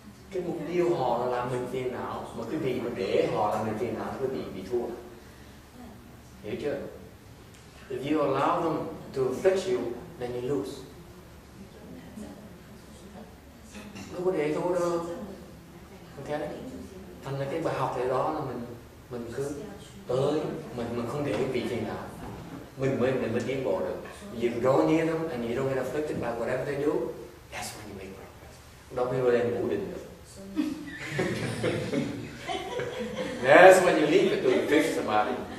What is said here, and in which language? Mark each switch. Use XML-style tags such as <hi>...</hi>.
<vi>Cái mục tiêu họ là làm mình phiền não, mà quý vị mà để họ làm mình phiền não, quý vị bị thua. Hiểu chưa?</vi> <en>If you allow them to affect you, then you lose.</en> <vi>Đâu có để thua đâu. Okay. Thành ra cái bài học thế đó là mình cứ tới, mình không để vị phiền não. Mình mới tiến bộ được.</vi> <en>You draw near them and you don't get afflicted by whatever they do, that's when you make progress.</en> <vi>Đó mới lên ngủ định được.</vi> <en>That's when you leave it to the fifth samadhi.</en>